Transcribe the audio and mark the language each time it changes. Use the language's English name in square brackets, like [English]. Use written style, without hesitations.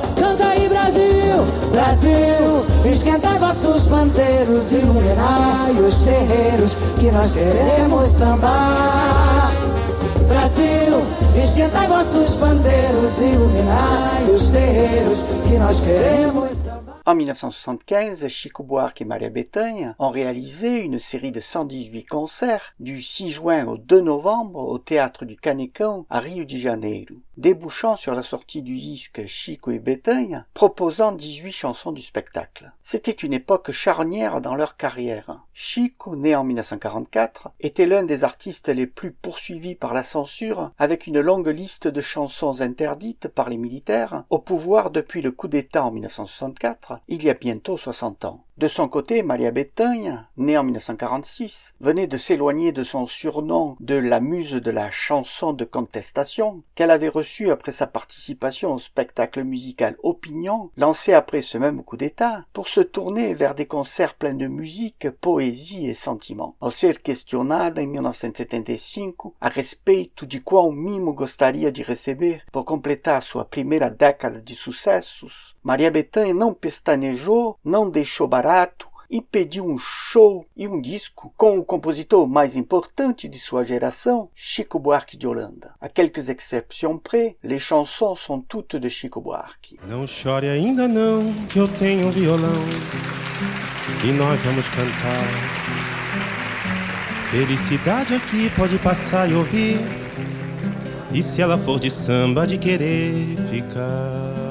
[Portuguese] Canta aí, Brasil, Brasil, esquenta vossos panteiros, iluminai os terreiros que nós queremos sambar. Brasil, esquenta vossos panteiros, iluminai os terreiros que nós queremos. [French] En 1975, Chico Buarque et Maria Bethânia ont réalisé une série de 118 concerts du 6 juin au 2 novembre au Théâtre du Canecão à Rio de Janeiro, débouchant sur la sortie du disque Chico et Bethânia, proposant 18 chansons du spectacle. C'était une époque charnière dans leur carrière. Chico, né en 1944, était l'un des artistes les plus poursuivis par la censure, avec une longue liste de chansons interdites par les militaires, au pouvoir depuis le coup d'État en 1964, il y a bientôt 60 ans. De son côté, Maria Bethânia, née en 1946, venait de s'éloigner de son surnom de la muse de la chanson de contestation qu'elle avait reçu après sa participation au spectacle musical Opinion, lancé après ce même coup d'État, pour se tourner vers des concerts pleins de musique, poésie et sentiments. [Portuguese] Ao ser questionada em 1975 a respeito de qual mimo gostaria de receber por completar sua primeira década de sucessos, Maria Bethânia não pestanejou, não deixou barato e pediu um show e um disco com o compositor mais importante de sua geração, Chico Buarque de Holanda. [French] A quelques exceptions près, les chansons sont toutes de Chico Buarque. [Portuguese] Não chore ainda não, que eu tenho violão e nós vamos cantar. Felicidade aqui pode passar e ouvir, e se ela for de samba de querer ficar.